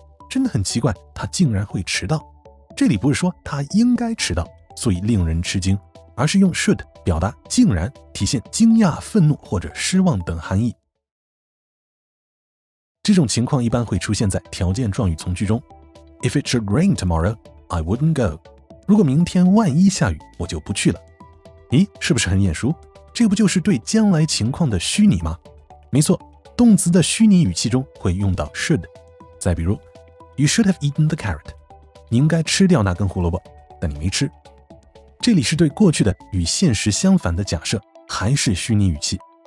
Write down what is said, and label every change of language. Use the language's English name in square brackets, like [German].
[Chinese] 真的很奇怪，他竟然会迟到。这里不是说他应该迟到，所以令人吃惊，而是用 should 表达竟然，体现惊讶、愤怒或者失望等含义。这种情况一般会出现在条件状语从句中。 [English] If it should rain tomorrow,I wouldn't go. [Chinese] 如果明天万一下雨，我就不去了。咦，是不是很眼熟？这不就是对将来情况的虚拟吗？没错，动词的虚拟语气中会用到 should。再比如 [English] You should have eaten the carrot. [Chinese] 你应该吃掉那根胡萝卜，但你没吃。这里是对过去的与现实相反的假设，还是虚拟语气。